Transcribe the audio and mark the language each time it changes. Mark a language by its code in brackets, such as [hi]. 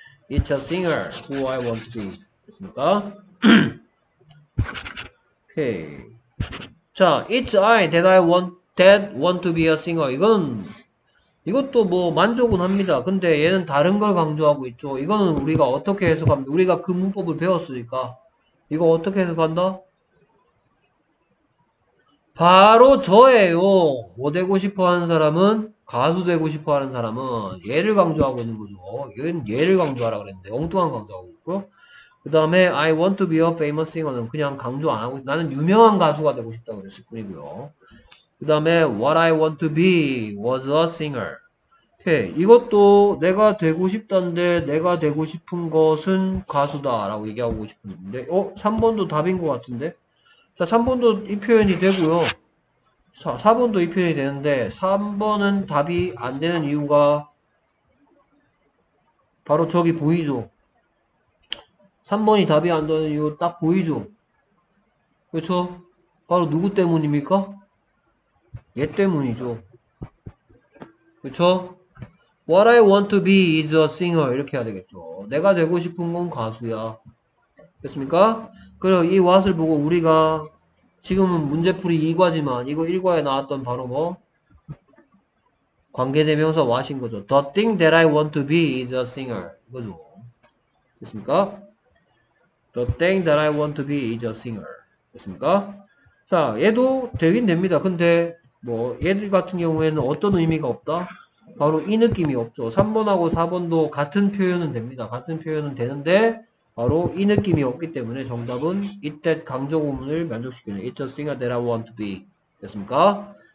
[en] It's a singer who I want to be. [ko] 그렇습니까? 오케이. [en] 자, it's I that want to be a singer. [ko] 이건 이것도 뭐 만족은 합니다. 근데 얘는 다른 걸 강조하고 있죠. 이거는 우리가 어떻게 해석합니다. 우리가 그 문법을 배웠으니까 이거 어떻게 해석한다? 바로 저예요. 뭐 되고 싶어 하는 사람은, 가수 되고 싶어 하는 사람은 예를 강조하고 있는 거죠. 예를 강조하라 그랬는데, 엉뚱한 강조하고 있고. 그 다음에, [en] I want to be a famous singer [ko] 는 그냥 강조 안 하고, 나는 유명한 가수가 되고 싶다고 그랬을 뿐이고요. 그 다음에, [en] what I want to be was a singer. [ko] 오케이. 이것도 내가 되고 싶던데, 내가 되고 싶은 것은 가수다라고 얘기하고 싶은데, 3번도 답인 것 같은데? 자, 3번도 이 표현이 되고요. 4번도 이 표현이 되는데, 3번은 답이 안 되는 이유가 바로 저기 보이죠? 3번이 답이 안 되는 이유 딱 보이죠? 그렇죠? 바로 누구 때문입니까? 얘 때문이죠. 그렇죠? [en] What I want to be is a singer. [ko] 이렇게 해야 되겠죠. 내가 되고 싶은 건 가수야. 됐습니까? 그리고 이 what을 보고 우리가 지금은 문제풀이 2과지만 이거 1과에 나왔던 바로 뭐? 관계대명사 what인 거죠. [en] The thing that I want to be is a singer. [ko] 이거죠. 됐습니까? [en] The thing that I want to be is a singer. [ko] 됐습니까? 자, 얘도 되긴 됩니다. 근데 뭐 얘들 같은 경우에는 어떤 의미가 없다? 바로 이 느낌이 없죠. 3번하고 4번도 같은 표현은 됩니다. 같은 표현은 되는데 바로 이 느낌이 없기 때문에 정답은 it that 강조구문을 만족시키는 [en] it's a singer that I want to be. [ko] 됐습니까?